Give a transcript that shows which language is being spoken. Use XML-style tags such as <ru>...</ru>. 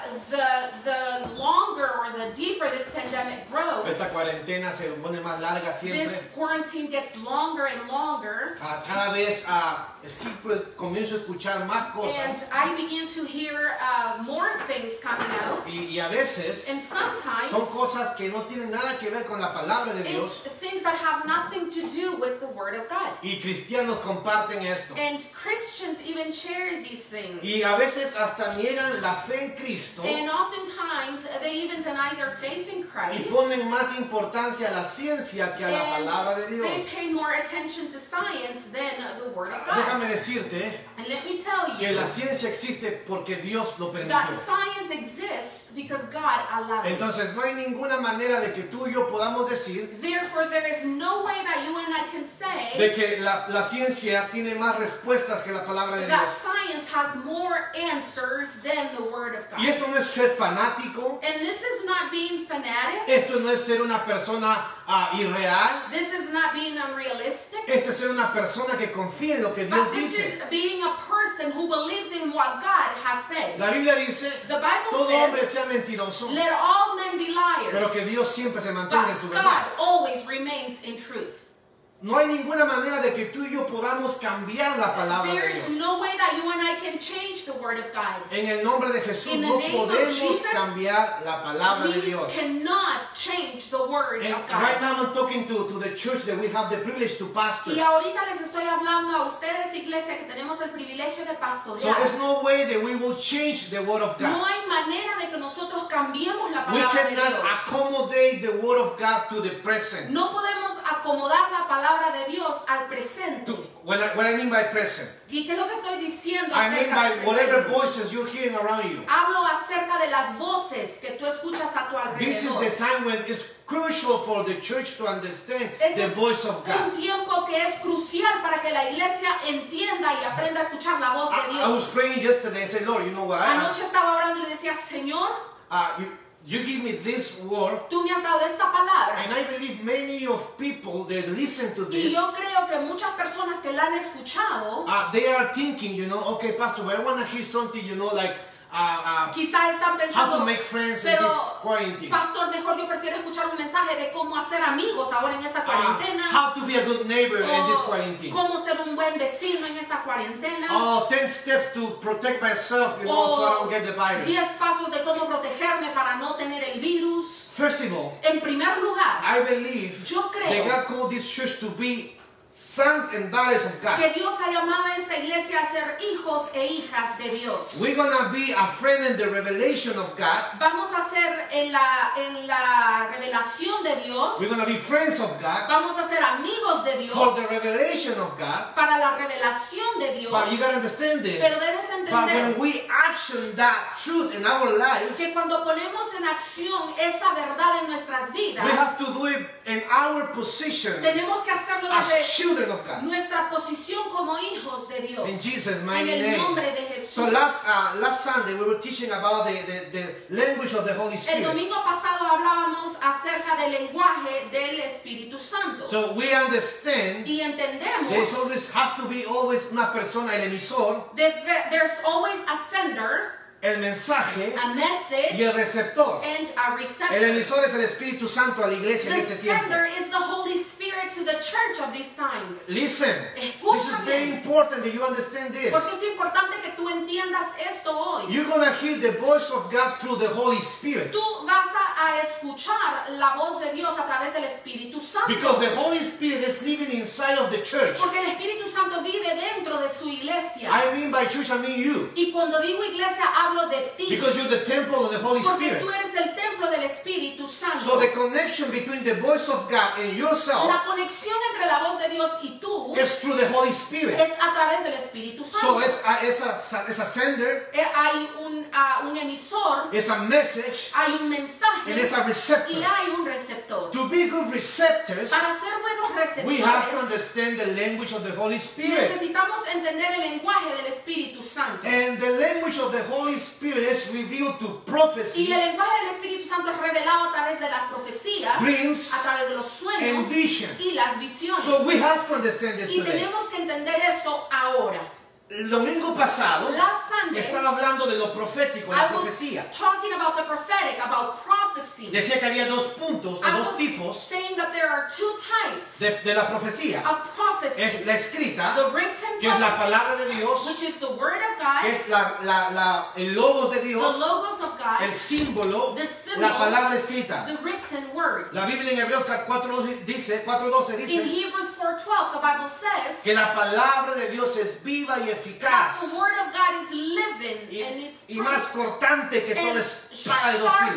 <en>the longer or the deeper this pandemic grows.</en> <es>Esta cuarentena se pone más larga siempre.</es> <en>This quarantine gets longer and longer.</en> <es>Cada vez comienzo a escuchar más cosas.</es> <en>And I begin to hear more things coming out.</en> <es>Y a veces,</es> <en>and sometimes,</en> <es>son cosas que no tienen nada que ver con la palabra de Dios.</es> <en>It's things that have nothing to do with the word of God.</en> <es>Y cristianos comparten esto.</es> <en>And Christians even share these things.</en> <es>Y a veces hasta niegan la fe en Cristo.</es> <en>And oftentimes they even deny their faith in Christ.</en> <es>Y ponen más importancia a la ciencia que a la palabra de Dios.</es> <en>And they pay more attention to science than the word of God.</en> <es>Déjame decirte que la ciencia existe porque Dios lo permitió.</es> <en>That science exists because God allowed it.</en> <es>Entonces no hay ninguna manera de que tú y yo podamos decir.</es> <en>Therefore, there is no way that you and I can say.</en> <es>De que la ciencia tiene más respuestas que la palabra de Dios.</es> <en>That science has more answers than the word of God.</en> <es>Y esto no es ser fanático.</es> <en>And this is not being fanatic.</en> <es>Esto no es ser una persona irreal.</es> <en>This is not being unrealistic.</en> <es>Esto es ser una persona que confía en lo que Dios dice.</es> <en>But this is being a person who believes in what God has said.</en> <es>La Biblia dice.</es> <en>The Bible</en> <es>todo</es> <en>says.</en> <es>Hombre sea mentiroso.</es> <en>Let all men be liars.</en> <es>Pero que Dios siempre se mantenga en su verdad.</es> <en>God always remains in truth.</en> <es>No hay ninguna manera de que tú y yo podamos cambiar la palabra de Dios.</es> <en>There is no way that you and I can change the word of God.</en> <es>En el nombre de Jesús no podemos cambiar la palabra de Dios.</es> <en>We cannot change the word of God. Right now I'm talking to the church that we have the privilege to pastor.</en> <es>Y ahorita les estoy hablando a ustedes, iglesia, que tenemos el privilegio de pastorear.</es> <en>So there's no way that we will change the word of God.</en> <es>No hay manera de que nosotros cambiemos la palabra de Dios.</es> <en>We cannot accommodate the word of God to the present.</en> <es>No podemos acomodar la palabra de Dios al presente.</es> <en>What I mean by present.</en> <es>¿Y qué es lo que estoy diciendo?</es> <en>I mean by whatever voices you're hearing around you.</en> <es>Hablo acerca de las voces que tú escuchas a tu alrededor.</es> <en>This is the time when it's crucial for the church to understand the voice of God.</en> <es>Es un tiempo que es crucial para que la iglesia entienda y aprenda a escuchar la voz de Dios.</es> <en>I was praying yesterday and said, Lord, you know what?</en> <es>Anoche estaba orando y decía, Señor.</es> <en>You give me this word.</en> <es>Tú me has dado esta palabra.</es> <en>And I believe many of people that listen to this.</en> <es>Y yo creo que muchas personas que la han escuchado.</es> <en>They are thinking, you know, okay, pastor, but I want to hear something, you know, like.</en> <es>Quizá están pensando,</es> <en>how to make friends</en> <es>pero,</es> <en>in this quarantine.</en> <es>Pastor, mejor yo prefiero escuchar un mensaje de cómo hacer amigos ahora en esta cuarentena.</es> <en>How to be a good neighbor in this quarantine.</en> <es>Cómo ser un buen vecino en esta cuarentena.</es> <en>10 steps to protect myself, you know, so I don't get the virus.</en> <es>10 pasos de cómo protegerme para no tener el virus.</es> <en>First of all,</en> <es>en primer lugar,</es> <en>I believe</en> <es>yo creo</es> <en>that God called this church to be sons and daughters of God.</en> <es>Que Dios ha llamado a esta iglesia a ser hijos e hijas de Dios.</es> <en>We're gonna be a friend in the revelation of God.</en> <es>Vamos a ser en la revelación de Dios.</es> <en>We're gonna be friends of God.</en> <es>Vamos a ser amigos de Dios.</es> <en>For the revelation of God.</en> <es>Para la revelación de Dios.</es> <en>But you gotta understand this.</en> <es>Pero debes entender.</es> <en>But when we action that truth in our life.</en> <es>Que cuando ponemos en acción esa verdad en nuestras vidas.</es> <en>We have to do it in our position.</en> <es>Tenemos que hacerlo</es> <en>children of God.</en> <es>Nuestra posición como hijos de Dios.</es> <en>In Jesus, my name.</en> <es>En el nombre de Jesús.</es> <en>So last Sunday we were teaching about the language of the Holy Spirit.</en> <es>El domingo pasado hablábamos acerca del lenguaje del Espíritu Santo.</es> <en>So we understand.</en> <es>Y entendemos.</es> <en>There's always have to be always</en> <es>una persona, el emisor.</es> <en>There's always a sender.</en> <es>El mensaje.</es> <en>A message.</en> <es>Y el receptor.</es> <en>And a receptor.</en> <es>El emisor es el Espíritu Santo a la iglesia</es> <en>the</en> <es>en este</es> <en>sender</en> <es>tiempo.</es> <en>Is the Holy Spirit to the church of these times. Listen.</en> <es>Escúchame.</es> <en>This is very important that you understand this.</en> <es>Porque es importante que tú entiendas esto hoy.</es> <en>You're going to hear the voice of God through the Holy Spirit.</en> <es>Tú vas a escuchar la voz de Dios a través del Espíritu Santo.</es> <en>Because the Holy Spirit is living inside of the church.</en> <es>Porque el Espíritu Santo vive dentro de su iglesia.</es> <en>I mean by church, I mean you.</en> <es>Y cuando digo iglesia,</es> <en>because you're the temple of the Holy</en> <es>porque</es> <en>Spirit.</en> <es>Tú eres el templo del Espíritu Santo.</es> <en>So the connection between the voice of God and yourself.</en> <es>La conexión entre la voz de Dios y tú.</es> <en>Is through the Holy Spirit.</en> <es>Es a través del Espíritu Santo.</es> <en>So it's a sender.</en> <es>Hay un emisor.</es> <en>It's a message.</en> <es>Hay un mensaje.</es> <en>and it's a receptor.</en> <es>Y hay un receptor.</es> <en>To be good receptors,</en> <es>para ser buenos receptores,</es> <en>we have to understand the language of the Holy Spirit.</en> <es>Necesitamos entender el lenguaje del Espíritu Santo.</es> <en>And the language of the Holy Spirit is revealed to prophecy.</en> <es>Y el lenguaje del Espíritu Santo es revelado a través de las profecías,</es> <en>dreams,</en> <es>a través de los sueños,</es> <en>and vision.</en> <es>Y las visiones.</es> <en>So we have to understand this</en> <es>y</es> <en>today.</en> <es>Tenemos que entender eso ahora. El domingo pasado estaba hablando de lo profético, la profecía.</es> <en>Talking about the prophetic, about prophecy.</en> <es>Decía que había dos puntos, de dos tipos.</es> <en>Saying that there are two types</en> <es>de la profecía.</es> <en>Of prophecy.</en> <es>Es la escrita,</es> <en>the written,</en> <es>que es la palabra de Dios,</es> <en>which is the word of God,</en> <es>que es la el logos de Dios,</es> <en>the logos of God,</en> <es>el símbolo,</es> <en>the symbol,</en> <es>la palabra escrita,</es> <en>the written word.</en> <es>La Biblia en Hebreos 4:12 dice,</es> <en>in Hebrews 4:12, the Bible says,</en> <es>que la palabra de Dios es viva y eficaz.</es> <en>The word of God is living and it's</en> <es>y más cortante que toda espada de dos filos.</es>